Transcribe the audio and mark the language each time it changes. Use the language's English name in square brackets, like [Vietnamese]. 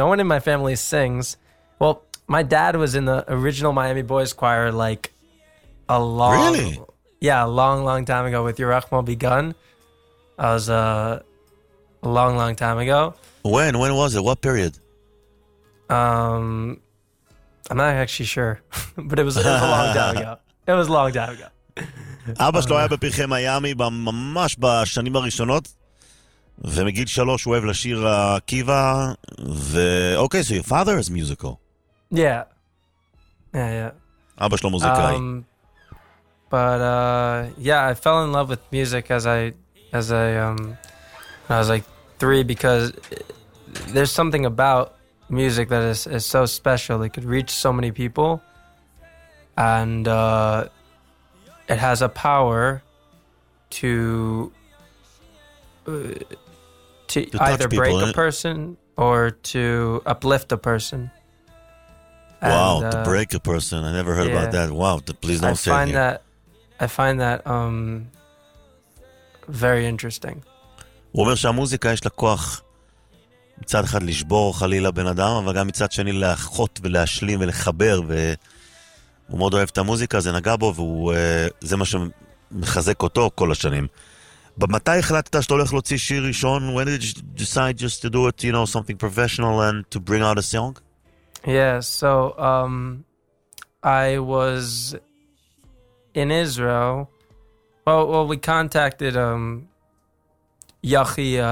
[English] So it's interesting, no one in my family sings. Well, my dad was in the original Miami Boys choir like a long Really? Yeah, a long time ago with Yerachmo Begun. I was a long time ago. When was it? What period? I'm not actually sure, but it was a long time ago. It was a long time ago. [Hebrew] אבא שלו היה בפרחי מיימי ממש בשנים הראשונות, ומגיל 3 הוא אוהב לשיר עקיבא. [English] אוקיי, so your father is musical. Yeah. [Hebrew] אבא שלו מוזיקאי. [English] I fell in love with music as I was like 3, because there's something about music that is so special. It could reach so many people, and it has a power to either break people, a person or to uplift a person. Wow, to break a person. I never heard about that. Wow, please don't say that. I find that very interesting. [Hebrew] הוא אומר שהמוזיקה יש לה כוח מצד אחד לשבור חלילה בן אדם, אבל גם מצד שני לאחות ולהשלים ולחבר ו... הוא מאוד אוהב את המוזיקה, זה נגע בו, וזה מה שמחזק אותו כל השנים. במתי החלטת שאתה הולך להוציא שיר ראשון? [English] When did you decide just to do it, you know, something professional and to bring out a song? Yeah, so I was in Israel. Well, we contacted Yachi.